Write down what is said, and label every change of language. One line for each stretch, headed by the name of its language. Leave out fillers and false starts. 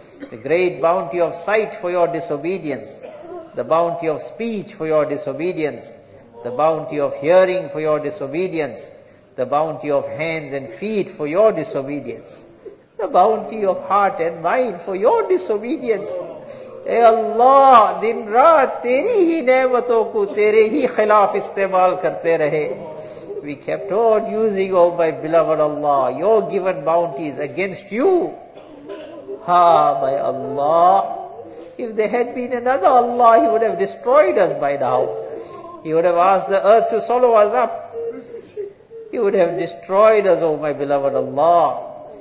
English: The great bounty of sight for your disobedience. The bounty of speech for your disobedience. The bounty of hearing for your disobedience. The bounty of hands and feet for your disobedience. The bounty of heart and mind for your disobedience.
Urdu: اے اللہ, دن رات تیری ہی نعمتوں کو تیرے ہی خلاف استعمال کرتے رہے.
English: We kept on using, oh my beloved Allah, your given bounties against you. Ha, my Allah. If there had been another Allah, he would have destroyed us by now. He would have asked the earth to swallow us up. He would have destroyed us, oh my beloved Allah.